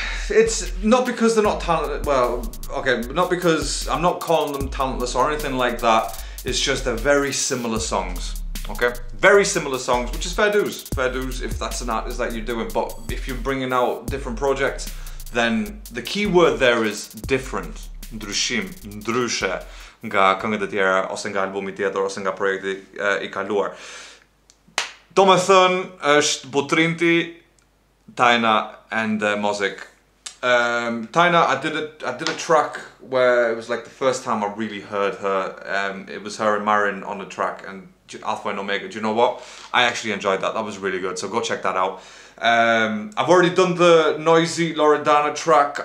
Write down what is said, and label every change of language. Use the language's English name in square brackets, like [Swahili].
[English] It's not because they're not talented, not because I'm not calling them talentless or anything like that. It's just they're very similar songs, okay? Very similar songs, which is fair dues. Fair dues if that's an artist that you're doing, but if you're bringing out different projects, then the key word there is different. [Albanian] Ndryshim, ndryshe, nga këngët e tjera, ose nga albumi tjetër, ose nga projekti I kaluar. Do me thënë, është Butrinti, Tayna, and Mozzik. [English] Tayna, I did a track where it was like the first time I really heard her. It was her and Marin on the track, and Alpha and Omega. Do you know what? I actually enjoyed that. That was really good. So go check that out. I've already done the Noisy Loredana track.